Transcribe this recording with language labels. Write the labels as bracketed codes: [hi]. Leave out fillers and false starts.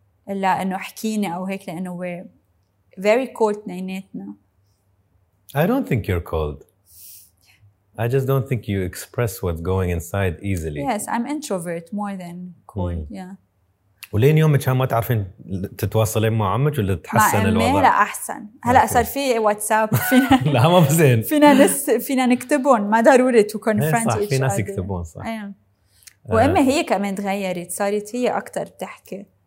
[ar] إلا إنه حكيني أو هيك لأنه [en] we're very cold [ar] نيناتنا. [en] I don't think you're cold. I just don't think you express what's going inside easily. Yes, I'm introvert more than cold. Yeah. [ar] ولين يومك ما تعرفين تتواصلين مع عمك ولا تحسن الوضع؟ ما لا أحسن. هلا صار في واتساب فينا. لا ما بزين. فينا نكتبون ما ضروري [en] to confront each other. [ar] في ناس يكتبون صح. وأما هي كمان تغيرت صارت هي أكتر بتحكي.